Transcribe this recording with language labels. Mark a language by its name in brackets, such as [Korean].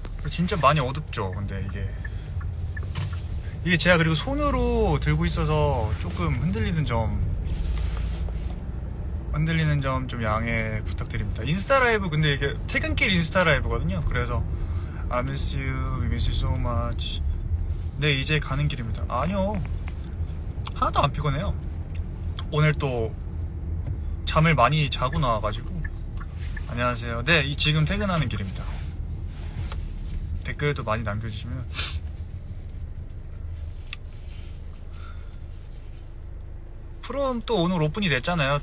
[Korean] 진짜 많이 어둡죠. 근데 이게 제가 그리고 손으로 들고 있어서 조금 흔들리는 점 좀 양해 부탁드립니다. 인스타 라이브 근데 이게 퇴근길 인스타 라이브거든요. [English] 그래서 I miss you, we miss you so much. [Korean] 네 이제 가는 길입니다. 아니요 하나도 안 피곤해요. 오늘 또 잠을 많이 자고 나와가지고. 안녕하세요. 네 지금 퇴근하는 길입니다. 댓글도 많이 남겨주시면 프롬 또 오늘 오픈이 됐잖아요.